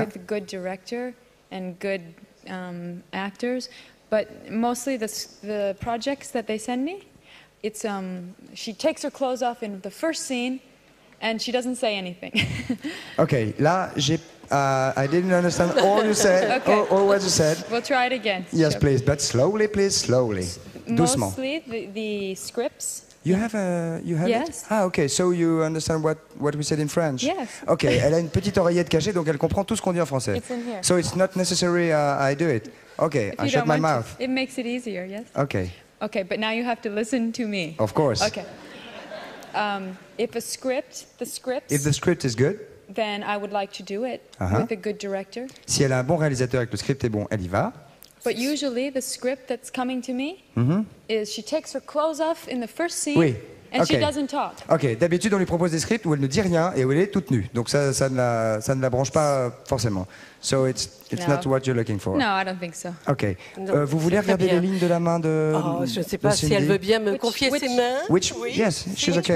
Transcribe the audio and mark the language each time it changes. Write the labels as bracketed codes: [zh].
[en] With a good director and good actors, but mostly the projects that they send me, it's she takes her clothes off in the first scene, and she doesn't say anything. Okay. [fr] Là j'ai [en] I didn't understand all you said okay. or what you said. We'll try it again. Yes, sure. Please, but slowly, please, slowly. [fr] Doucement. [en] Mostly the scripts. You have a you have yes. It? Ah, okay. So you understand what we said in French? Yes. Okay. [fr] Elle a une petite oreillette cachée, donc elle comprend tout ce qu'on dit en français. [en] It's in here. So it's not necessary. I do it. Okay. If I shut my mouth. It makes it easier. Yes. Okay. Okay, but now you have to listen to me. Of course. Okay. If a script, the script. If the script is good. Then I would like to do it with a good director. [fr] Si elle a un bon réalisateur et que le script est bon, elle y va. [en] But usually the script that's coming to me is she takes her clothes off in the first scene. [fr] Oui. [en] And she doesn't talk. Okay. [fr] D'habitude, on lui propose des scripts où elle ne dit rien et où elle est toute nue. Donc ça, ça ne la branche pas forcément. [en] So it's not what you're looking for. No, I don't think so. Okay. [fr] Vous voulez regarder les lignes de la main de Cindy? Je ne sais pas si elle veut bien me confier ses mains. [en] Which? [fr] Oui. [en] Yes, she's okay.